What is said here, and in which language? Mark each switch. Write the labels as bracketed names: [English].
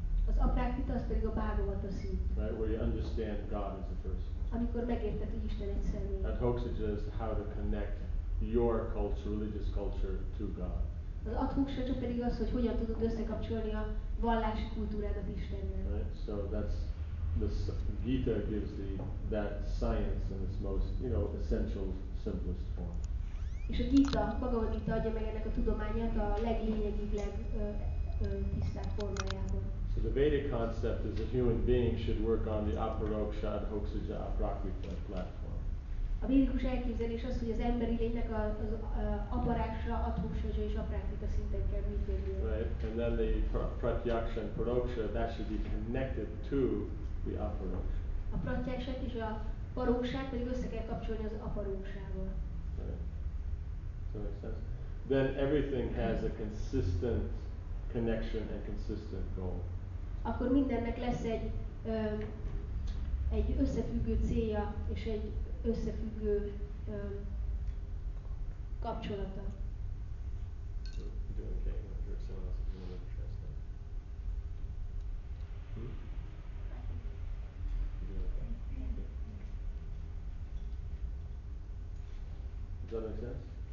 [Hungarian] Az aprakrita az pedig a Bhagavata szint. [English] Right, where you understand God as a person. [Hungarian] Amikor megérted, hogy Isten egy személy. [English] That hoksha is how to connect your culture, religious culture to God. [Hungarian] Az atmoksa csak pedig az, hogy hogyan tudod összekapcsolni a vallási kultúrádat Istennel. [English] Right, so that's the Gita gives the that science in its most, you know, essential, simplest form. [Hungarian] És a Gita, Bhagavad Gita adja meg ennek a tudományát a leglényegibb, legtisztább formájában. [English] So the Vedic concept is a human being should work on the aparoksha, adhoksaja, aprakrita platform. [Hungarian] A védikus elképzelés az, hogy az emberi lénynek az aparoksha, adhoksaja és aprakrita szinten kell működni. [English] Right, and then the pratyaksha and paroksha, that should be connected to the aparoksha. [Hungarian] A pratyakshát és a paroksát pedig össze kell kapcsolni az aparoksával. [English] Right. So makes sense. Then everything has a consistent connection and consistent goal. [Hungarian] Akkor mindennek lesz egy összefüggő célja és egy összefüggő kapcsolata. [English] you okay? Does that make sense?